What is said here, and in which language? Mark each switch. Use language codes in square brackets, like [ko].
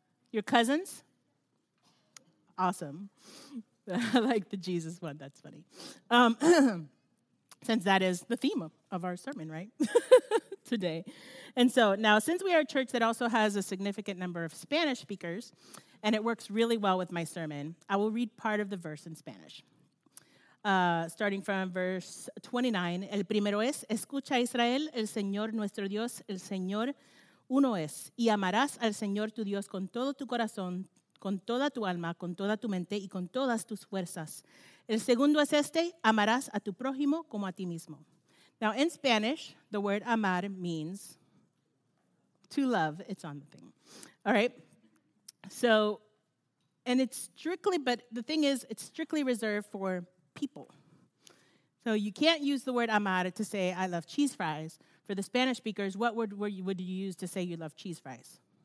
[en] Your cousins? Awesome. I like the Jesus one. That's funny. since that is the theme of our sermon, right, today. And so now, since we are a church that also has a significant number of Spanish speakers, and it works really well with my sermon, I will read part of the verse in Spanish. Starting from verse 29, [es] el primero es, escucha Israel, el Señor nuestro Dios, el Señor uno es, y amarás al Señor tu Dios con todo tu corazón, con toda tu alma, con toda tu mente y con todas tus fuerzas. El segundo es este, amarás a tu prójimo como a ti mismo. [en] Now, in Spanish, the word amar means to love. It's on the thing. All right? So, and it's strictly, but the thing is, it's strictly reserved for people. So you can't use the word amar to say I love cheese fries. For the Spanish speakers, what word would you use to say you love cheese fries?